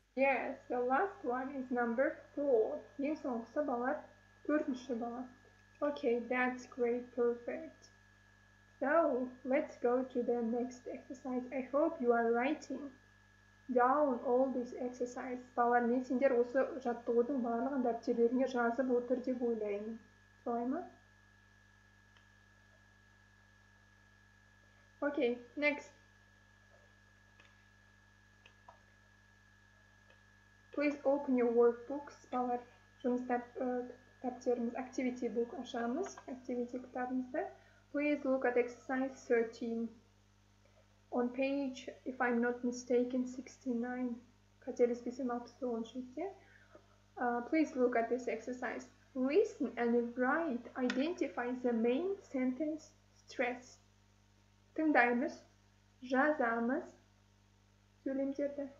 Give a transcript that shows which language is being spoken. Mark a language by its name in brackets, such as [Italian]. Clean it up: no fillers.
[English] Yes, the last one is number 4. [Kazakh] Не соңғысы бала, төртінші бала. [English] Okay, that's great, perfect. So, let's go to the next exercise. I hope you are writing down all these exercises. [Kazakh] Бала, мен сендер осы жаттығудың барлығын дәптерлеріне жазып отыр деп ойлаймын. Солай ма? [English] Okay, next. Please open your workbook. [Kazakh] Балар, жұмыс тәптеріміз, [English] activity book [Kazakh] ашамыз. Activity кітабымызды. [English] Please look at exercise 13. On page, if I'm not mistaken, 69. [Kazakh] Қателеспесем, 61 жерде. [English] Please look at this exercise. Listen and write. Identify the main sentence stress. [Kazakh] Тыңдаймыз, жазамыз, сөйлемдерді.